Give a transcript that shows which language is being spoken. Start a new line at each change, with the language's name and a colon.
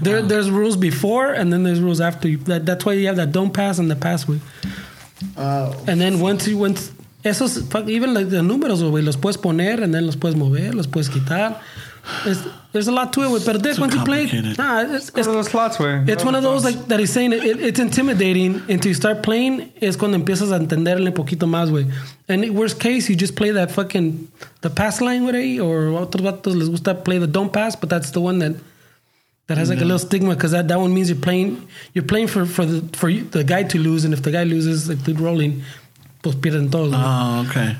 English: There's rules before, and then there's rules after. That's why you have that don't pass and the pass, güey. And then once...
Spanish: Esos,
English: even like the
Spanish: números, güey, los puedes poner,
English: and then
Spanish: los puedes mover, los puedes quitar.
English: There's a lot to it, but Dick, once you play, nah, it's one of those slots where it's one of those like that he's saying it's intimidating until you start playing.
Spanish: Es cuando empiezas a entenderle poquito más, güey.
English: And worst case, you just play that fucking the pass line with it, or
Spanish: otros vatos les gusta
English: play the don't pass, but that's the one that has like a little stigma because that one means you're playing for the guy to lose, and if the guy loses, like the rolling.
Spanish: Pues pierden todos.
English: Oh, okay.